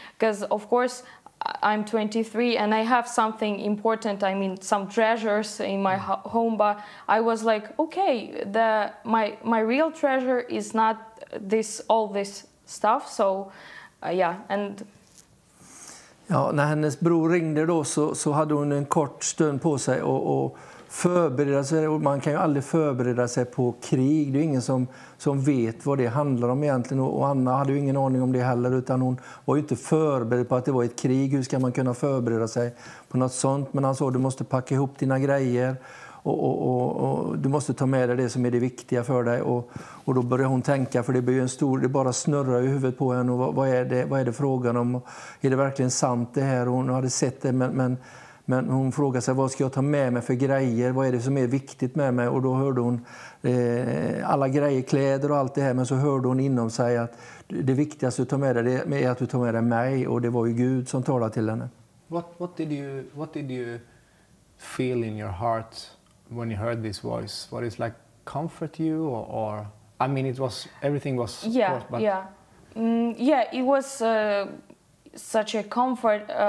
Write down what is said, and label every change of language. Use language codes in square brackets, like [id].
[en] Because of course I'm 23 and I have something important, I mean some treasures in my home, but I was like, okay, my real treasure is not all this stuff, so yeah. And [sv] ja, när hennes bror ringde då så hade hon en kort stund på sig och förbereda sig, och man kan ju aldrig förbereda sig på krig. Det är ingen som vet vad det handlar om egentligen, och Anna hade ju ingen aning om det heller, utan hon var ju inte förberedd på att det var ett krig. Hur ska man kunna förbereda sig på något sånt? Men han sa, du måste packa ihop dina grejer och du måste ta med dig det som är det viktiga för dig. Och då började hon tänka, för det blir ju en stor, det bara snurrar i huvudet på henne, och vad är det frågan om? Är det verkligen sant det här? Hon hade sett det, men Men hon frågade sig, vad ska jag ta med mig för grejer? Vad är det som är viktigt med mig? Och då hörde hon alla grejer, kläder och allt det här. Men så hörde hon inom sig att det viktigaste du tar med dig är att du tar med dig mig. Och det var ju Gud som talade till henne. [en] What did you feel in your heart when you heard this voice? What is like comfort you or I mean it was everything was yeah course, but... yeah yeah it was such a comfort.